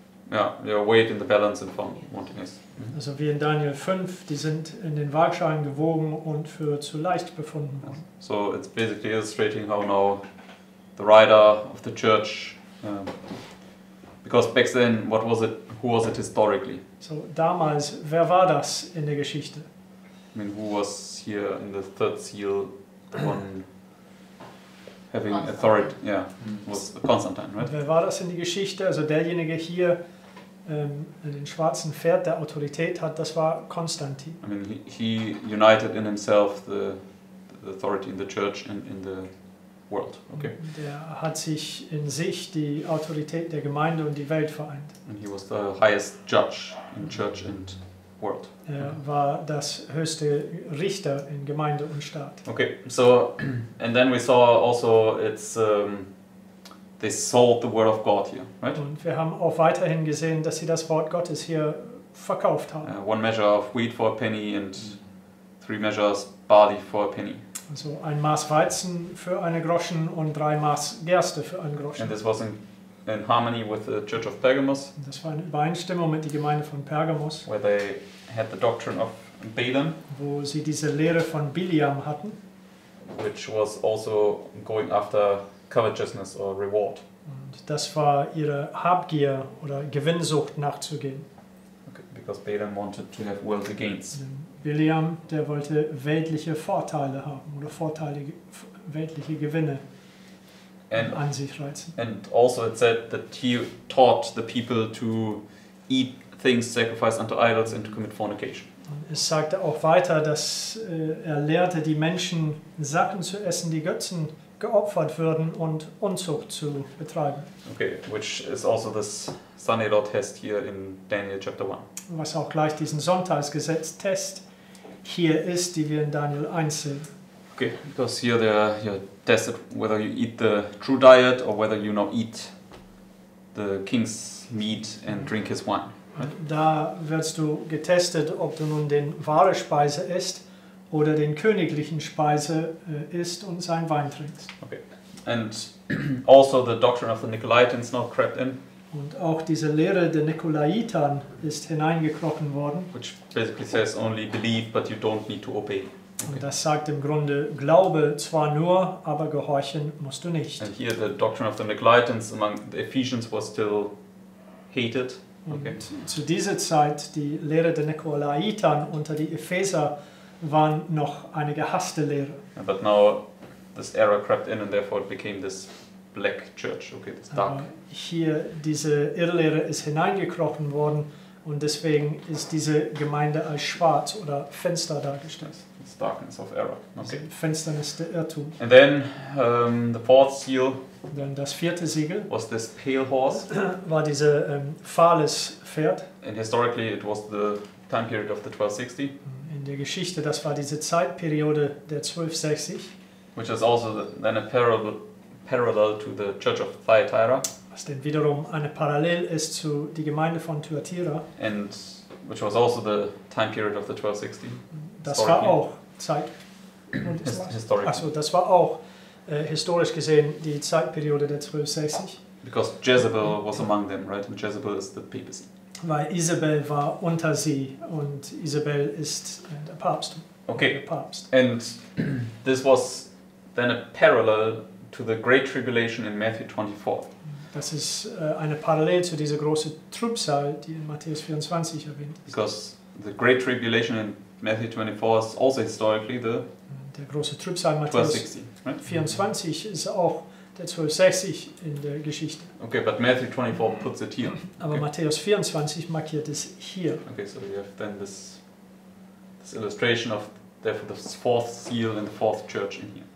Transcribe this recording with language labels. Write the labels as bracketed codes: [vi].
[en] your weight in the balance and from wanting is. Mm-hmm. [de] Also wie in Daniel 5, die sind in den Waagschalen gewogen und für zu leicht befunden worden. [en] Yes. So it's basically illustrating how now the writer of the church, because back then, what was it, who was it historically? [de] So damals, wer war das in der Geschichte? [en] I mean, who was here in the third seal, the one having authority, yeah, was Constantine, right? [de] Und wer war das in die Geschichte? Also derjenige hier, den schwarzen Pferd, der Autorität hat, das war Konstantin. [en] I mean, he united in himself the authority in the church and in the world, okay. [de] Der hat sich in sich die Autorität der Gemeinde und die Welt vereint. [en] And he was the highest judge in church and world. [de] Er war das höchste Richter in Gemeinde und Staat. [en] Okay, so, and then we saw also it's, they sold the word of God here, right? [de] Und wir haben auch weiterhin gesehen, dass sie das Wort Gottes hier verkauft haben. [en] One measure of wheat for a penny and three measures barley for a penny. [de] Also ein Maß Weizen für eine Groschen und drei Maß Gerste für einen Groschen. [en] And this was in harmony with the Church of Pergamos. [de] Das war in Übereinstimmung mit der Gemeinde von Pergamos. [en] Where they had the doctrine of Balaam. [de] Wo sie diese Lehre von Bileam hatten. [en] Which was also going after covetousness or reward. [de] Und das war ihre Habgier oder Gewinnsucht nachzugehen. [en] Okay, because Balaam wanted to have worldly gains. [de] Bileam, der wollte weltliche Vorteile haben oder Vorteile, weltliche Gewinne [en] and, [de] an sich reizen. [en] And also it said that he taught the people to eat things sacrificed unto idols and to commit fornication. [de] Und es sagte auch weiter, dass er lehrte die Menschen, Sachen zu essen, die Götzen geopfert würden und Unzucht zu betreiben. [en] Okay, which is also this Sanhedrin test here in Daniel chapter 1. [de] Was auch gleich diesen Sonntagsgesetz-Test hier ist, die wir in Daniel 1 sehen. [en] Okay, because here they are, you're tested whether you eat the true diet or whether you now eat the king's meat and drink his wine. Right? [de] Da wirst du getestet, ob du nun den wahre Speise isst oder den königlichen Speise isst und sein Wein trinkst. [en] Okay, and also the doctrine of the Nicolaitans now crept in. [de] Und auch diese Lehre der Nikolaitern ist hineingekrochen worden. [en] Which basically says only believe, but you don't need to obey. Okay. [de] Und das sagt im Grunde, glaube zwar nur, aber gehorchen musst du nicht. [en] And here the doctrine of the Nicolaitans among the Ephesians was still hated. Okay. [de] Und zu dieser Zeit, die Lehre der Nikolaitern unter die Epheser waren noch eine gehasste Lehre. [en] Yeah, but now this error crept in and therefore it became this black church, okay, it's dark. [de] Hier, diese Irrlehre ist hineingekrochen worden und deswegen ist diese Gemeinde als schwarz oder Fenster dargestellt. [en] Yes, it's darkness of error. Okay. [de] Finsternis der Irrtum. [en] And then the fourth seal. [de] Dann das vierte Siegel. [en] Was this pale horse. [de] War diese fahles Pferd. [en] And historically it was the time period of the 1260. [de] In der Geschichte, das war diese Zeitperiode der 1260. [en] Which is also then a parable. Parallel to the Church of Thyatira. [de] Was denn wiederum eine Parallel ist zu die Gemeinde von Thyatira. [en] And which was also the time period of the 1260. [de] Das war auch Zeit. [en] Historically. [de] Achso, das war auch historisch gesehen die Zeitperiode der 1260. [en] Because Jezebel was among them, right? And Jezebel is the papacy. [de] Weil Isabel war unter sie und Isabel ist der Papst. [en] Okay. [de] Der Papst. [en] And this was then a parallel to the great tribulation in Matthew 24. [de] Das ist eine Parallel zu dieser großen Trübsal, die in Matthäus 24 erwähnt ist. [en] Because the great tribulation in Matthew 24 is also historically the [de] der große Trübsal Matthäus 24 ist auch der 1260 in der Geschichte. [en] Okay, but Matthew 24 puts it here. [de] Aber [en] okay. [de] Matthäus 24 markiert es hier. [en] Okay, so we have then this illustration of therefore the fourth seal and the fourth church in here.